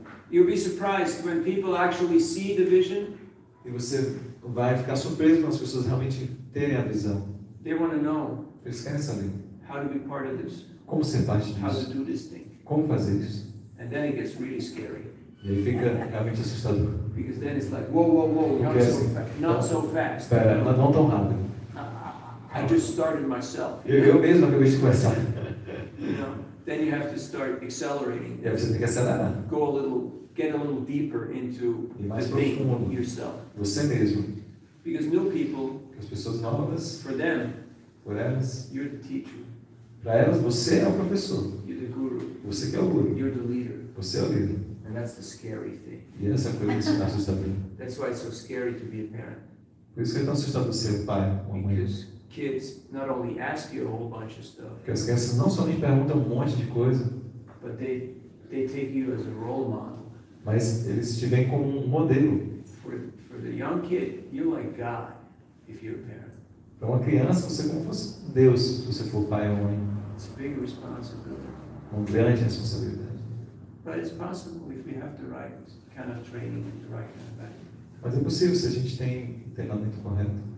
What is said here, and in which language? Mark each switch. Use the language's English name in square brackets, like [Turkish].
[English] You'll be surprised when people actually see the vision. [Portuguese] E você vai ficar surpreso quando as pessoas realmente terem a visão. [English] They want to know. [Portuguese] Eles querem saber. [English] How to be part of this. [Portuguese] Como ser parte disso. [English] How to do this thing. [Portuguese] Como fazer isso. [English] And then it gets really scary. [Portuguese] E aí fica realmente assustador. [English] Because then it's like, whoa, not so fast. [Portuguese] Espera, mas não tão rápido. [English] I just started myself. [Portuguese] Eu mesmo acabei de começar. [English] Then you have to start accelerating. [Portuguese] E aí você tem que acelerar. [English] Go a little, get a little deeper into yourself. [Portuguese] Você mesmo. [English] Because new people, [Portuguese] as pessoas novas, [English] for them, you're the teacher. [Portuguese] Para elas, você é o professor. [English] You're the guru. [Portuguese] Você que é o guru. [English] You're the leader. [Portuguese] Você é o líder. [English] And that's the scary thing. [Portuguese] E essa coisa que se assusta bem. [English] That's why it's so scary to be a parent. [Portuguese] Por isso que é tão assustador ser pai ou mãe. [English] Because kids not only ask you a whole bunch of stuff. [Portuguese] Porque as crianças não só lhe perguntam um monte de coisa. [English] But they take you as a role model. [Portuguese] Mas eles te veem como um modelo. [English] For the young kid, you're like God if you're a parent. [Portuguese] Para uma criança, você é como fosse Deus se você for pai ou mãe. [English] It's a big responsibility. [Portuguese] Uma grande responsabilidade. [English] But it's possible if we have the right kind of training and the right kind of back. [Portuguese] Mas é possível se a gente tem treinamento correto.